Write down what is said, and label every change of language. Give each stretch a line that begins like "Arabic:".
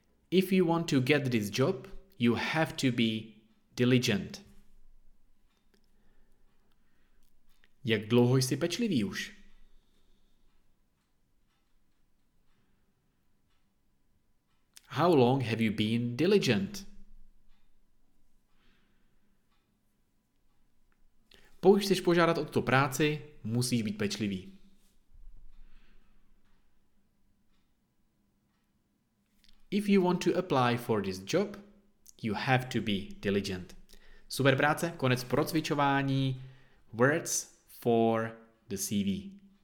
English: If you want to get this job, you have to be diligent.
Czech: Jak dlouho jsi pečlivý už?
English: How long have you been diligent?
Czech: Pokud chceš požádat o tuto práci, musíš být pečlivý.
English: If you want to apply for this job, you have to be diligent.
Czech: Super práce, konec procvičování.
English: Words for the CV.